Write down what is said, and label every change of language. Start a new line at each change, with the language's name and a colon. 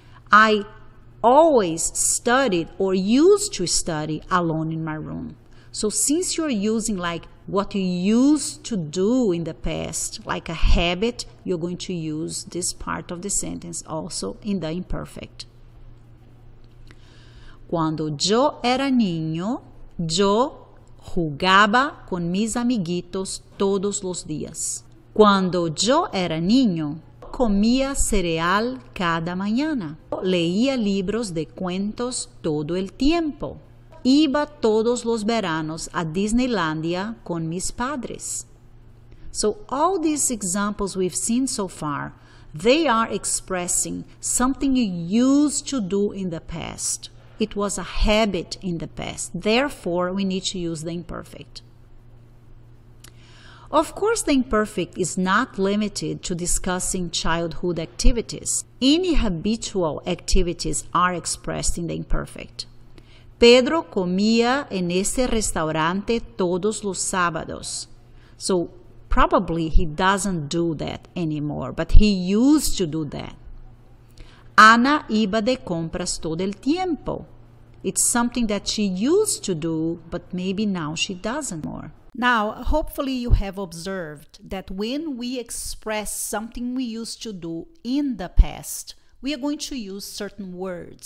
English: I always studied or used to study alone in my room. So since you're using like what you used to do in the past, like a habit, you're going to use this part of the sentence also in the imperfect.
Spanish: Cuando yo era niño, yo jugaba con mis amiguitos todos los días. Cuando yo era niño, comía cereal cada mañana. Leía libros de cuentos todo el tiempo. Iba todos los veranos a Disneylandia con mis padres.
English: So all these examples we've seen so far, they are expressing something you used to do in the past. It was a habit in the past. Therefore, we need to use the imperfect. Of course, the imperfect is not limited to discussing childhood activities. Any habitual activities are expressed in the imperfect.
Spanish: Pedro comía en ese restaurante todos los sábados.
English: So, probably he doesn't do that anymore, but he used to do that.
Spanish: Ana iba de compras todo el tiempo.
English: It's something that she used to do, but maybe now she doesn't more. Now, hopefully you have observed that when we express something we used to do in the past, we are going to use certain words.